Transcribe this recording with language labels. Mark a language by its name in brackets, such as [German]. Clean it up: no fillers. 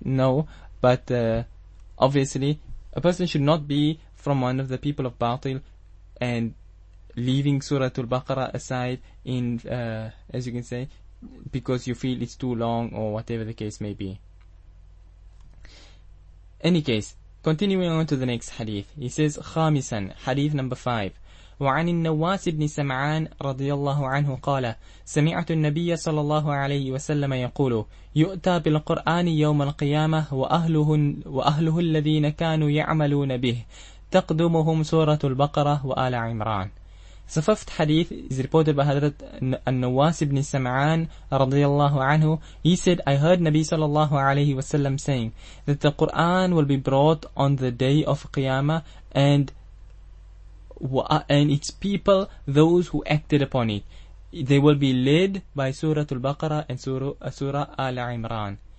[English] No, but obviously, a person should not be from one of the people of batil and leaving Suratul Baqarah aside in, as you can say, because you feel it's too long or whatever the case may be. Any case, continuing on to the next hadith. He says, Khamisan, hadith number 5. [Arabic] وعن النواس بن سمعان رضي الله عنه قال سمعت النبي صلى الله عليه وسلم يقول يؤتى بالقرآن يوم القيامة وأهله الذين كانوا يعملون به تقدمهم سورة البقرة وآل عمران. صففت حديث [English] is reported by [Arabic] حضرت النواس بن سمعان رضي الله عنه. [English] He said, I heard Nabi [Arabic] صلى الله عليه وسلم [English] saying that the Quran will be brought on the day of Qiyamah, and its people, those who acted upon it, they will be led by Surah Al-Baqarah and Surah Al-Imran.